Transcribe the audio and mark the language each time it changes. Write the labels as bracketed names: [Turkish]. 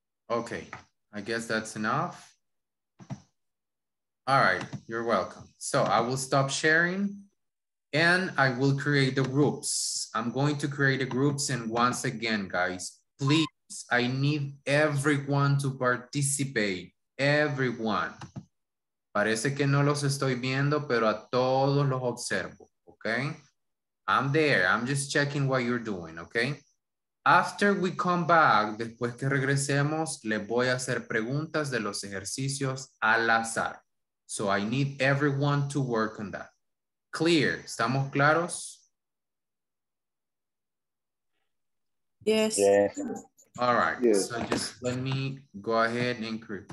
[English] Okay, I guess that's enough. All right, you're welcome. So I will stop sharing and I will create the groups. I'm going to create the groups and once again, guys, please, I need everyone to participate, everyone. [Spanish] Parece que no los estoy viendo, pero a todos los observo, ¿ok? [English] I'm there. I'm just checking what you're doing, okay? After we come back, [Spanish] después que regresemos, les voy a hacer preguntas de los ejercicios al azar. [English] So I need everyone to work on that. [Spanish] Clear. ¿Estamos claros? [English] Yes. Yeah. All right. Yeah. So just let me go ahead and create.